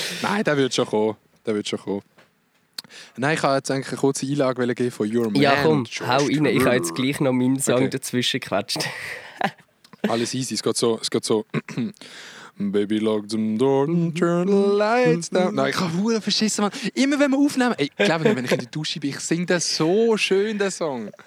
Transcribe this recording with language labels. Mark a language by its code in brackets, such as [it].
[de] Nein, der wird schon kommen. Nein, ich wollte jetzt eigentlich eine kurze Einlage geben von Your Man. Ja, komm, hau rein. Ich habe jetzt gleich noch meinen Song dazwischen gequatscht. Alles easy, es geht so. [en] Baby lock the door and turn the lights down. [de] Nein, ich habe Huren verschissen, Mann. Immer wenn wir aufnehmen. Ey, glaub mir, wenn ich in der Dusche bin, ich singe das so schön, den Song.